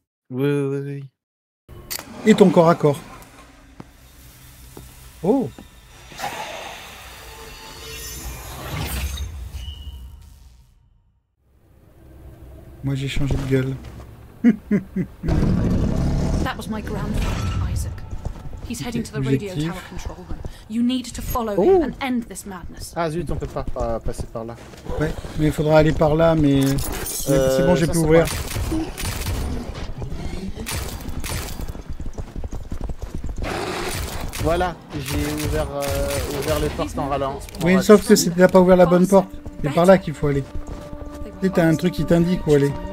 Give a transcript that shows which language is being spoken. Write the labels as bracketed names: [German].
[French] Oui, oui, oui. Et ton corps à corps. Oh! Moi j'ai changé de gueule. [English] That was my grandfather, Isaac. He's heading to the radio tower control room. You need to follow him and end this madness. [French] Ah zut, on peut pas passer par là. Ouais, mais il faudra aller par là, mais. C'est bon, j'ai pu ouvrir. Voilà, j'ai ouvert les portes en râlant. Oui, sauf que si t'as pas ouvert la bonne porte, c'est par là qu'il faut aller. Tu sais, t'as un truc qui t'indique où aller.